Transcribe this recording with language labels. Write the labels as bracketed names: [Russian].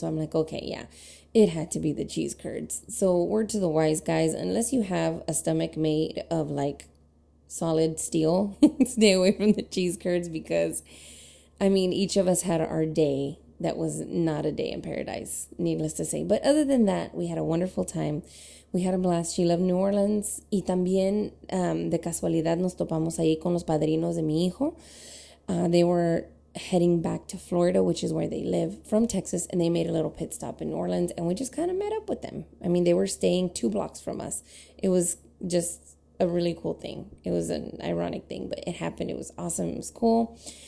[English] So I'm like, okay, yeah, it had to be the cheese curds. So word to the wise, guys, unless you have a stomach made of, like, solid steel, stay away from the cheese curds because, I mean, each of us had our day that was not a day in paradise, needless to say. But other than that, we had a wonderful time. We had a blast. She loved New Orleans. [Spanish] Y también, de casualidad, nos topamos ahí con los padrinos de mi hijo. [English] They were heading back to Florida, which is where they live, from Texas. And they made a little pit stop in New Orleans. And we just kind of met up with them. I mean, they were staying two blocks from us. It was just a really cool thing. It was an ironic thing, but it happened. It was awesome. It was cool.